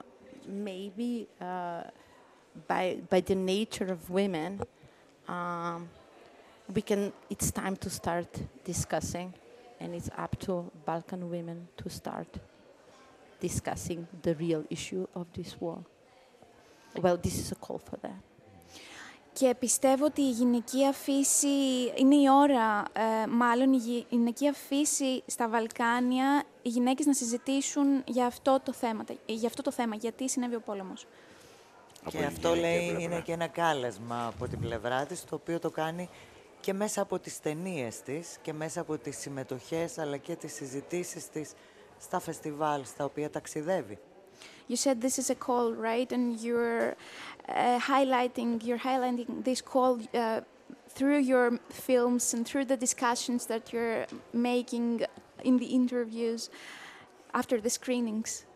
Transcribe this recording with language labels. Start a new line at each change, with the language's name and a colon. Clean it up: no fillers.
English: So maybe by the nature of women, it's time to start discussing, and it's up to Balkan women to start discussing the real issue of this war. Well, this is a call for that.
Greek: Και πιστεύω ότι η γυναικεία φύση είναι η ώρα, μάλλον η γυναικεία φύση στα Βαλκάνια, οι γυναίκες να συζητήσουν για αυτό το θέμα, γιατί συνέβη ο πόλεμος. Και αυτό λέει πλευρά. Είναι και ένα κάλεσμα από την πλευρά της, το οποίο το κάνει και μέσα από τις ταινίες της και μέσα από τις συμμετοχές, αλλά και τις συζητήσεις της στα φεστιβάλ στα οποία ταξιδεύει.
English: You said this is a call, right? And you're highlighting this call through your films and through the discussions that you're making in the interviews after the screenings.